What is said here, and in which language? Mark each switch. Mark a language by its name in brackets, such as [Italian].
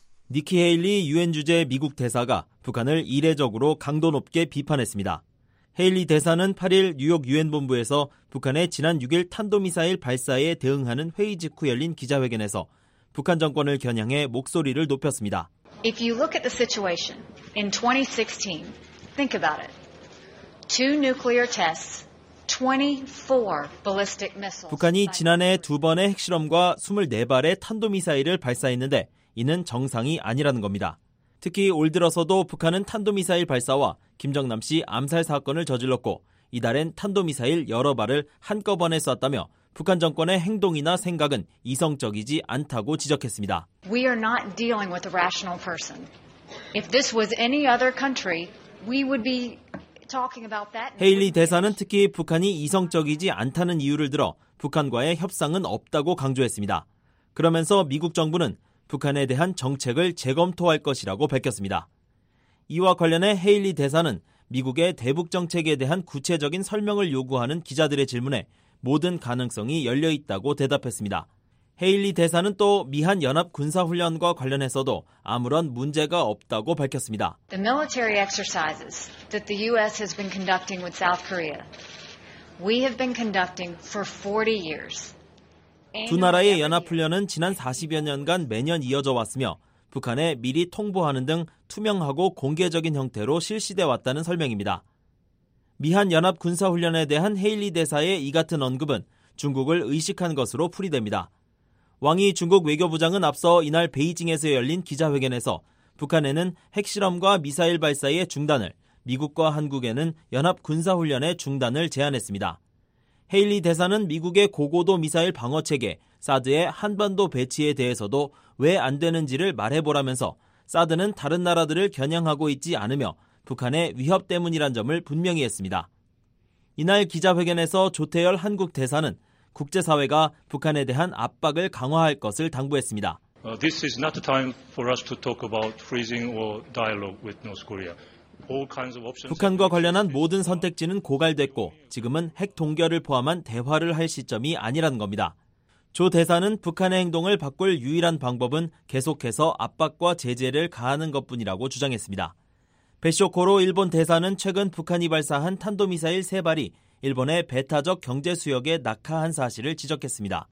[Korean] 니키 헤일리 유엔 주재 미국 대사가 북한을 이례적으로 강도 높게 비판했습니다. 헤일리 대사는 8일 뉴욕 유엔 본부에서 북한의 지난 6일 탄도미사일 발사에 대응하는 회의 직후 열린 기자회견에서 북한 정권을 겨냥해 목소리를 높였습니다. [English] If you look at the situation in 2016, think about it. Two nuclear tests, 24 ballistic missiles. [Korean] 북한이 지난해 두 번의 핵실험과 24발의 탄도미사일을 발사했는데 이는 정상이 아니라는 겁니다. 특히 올 들어서도 북한은 탄도미사일 발사와 김정남 씨 암살 사건을 저질렀고 이달엔 탄도미사일 여러 발을 한꺼번에 쐈다며 북한 정권의 행동이나 생각은 이성적이지 않다고 지적했습니다. [English] We are not dealing with a rational person. If this was any other country, we would be talking about that. [Korean] 헤일리 대사는 특히 북한이 이성적이지 않다는 이유를 들어 북한과의 협상은 없다고 강조했습니다. 그러면서 미국 정부는 북한에 대한 정책을 재검토할 것이라고 밝혔습니다. 이와 관련해 헤일리 대사는 미국의 대북 정책에 대한 구체적인 설명을 요구하는 기자들의 질문에 모든 가능성이 열려있다고 대답했습니다. 헤일리 대사는 또 미한 연합 군사훈련과 관련해서도 아무런 문제가 없다고 밝혔습니다. [English] The military exercises that the U.S. has been conducting with South Korea, we have been conducting for 40 years. [Korean] 두 나라의 연합훈련은 지난 40여 년간 매년 이어져 왔으며 북한에 미리 통보하는 등 투명하고 공개적인 형태로 실시돼 왔다는 설명입니다. 미한 연합군사훈련에 대한 헤일리 대사의 이 같은 언급은 중국을 의식한 것으로 풀이됩니다. 왕이 중국 외교부장은 앞서 이날 베이징에서 열린 기자회견에서 북한에는 핵실험과 미사일 발사의 중단을, 미국과 한국에는 연합군사훈련의 중단을 제안했습니다. 헤일리 대사는 미국의 고고도 미사일 방어체계, 사드의 한반도 배치에 대해서도 왜 안 되는지를 말해보라면서 사드는 다른 나라들을 겨냥하고 있지 않으며 북한의 위협 때문이란 점을 분명히 했습니다. 이날 기자회견에서 조태열 한국 대사는 국제사회가 북한에 대한 압박을 강화할 것을 당부했습니다. [English] This is not the time for us to talk about freezing or dialogue with North Korea. All kinds of options. [Korean] 북한과 관련한 모든 선택지는 고갈됐고 지금은 핵 동결을 포함한 대화를 할 시점이 아니라는 겁니다. 조 대사는 북한의 행동을 바꿀 유일한 방법은 계속해서 압박과 제재를 가하는 것뿐이라고 주장했습니다. 베쇼코로 일본 대사는 최근 북한이 발사한 탄도미사일 3발이 일본의 배타적 경제 수역에 낙하한 사실을 지적했습니다.